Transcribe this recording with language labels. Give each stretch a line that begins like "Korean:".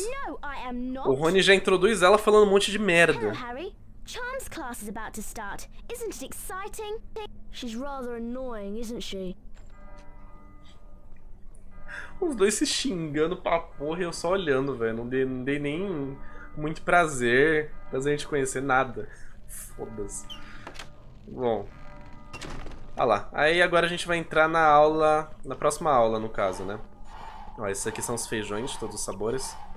English: no, I am not.
Portuguese: O Rony já introduz ela falando um monte de merda.
English: Hello, Harry. Charms class is about to start. Isn't it exciting? She's rather annoying, isn't she?
Portuguese: Os dois se xingando pra porra e eu só olhando, velho. Não dei nem... Muito prazer. Prazer em te conhecer. Nada. Foda-se. Bom. Ah lá. Aí agora a gente vai entrar na aula... Na próxima aula, no caso, né? Ó, esses aqui são os feijões de todos os sabores.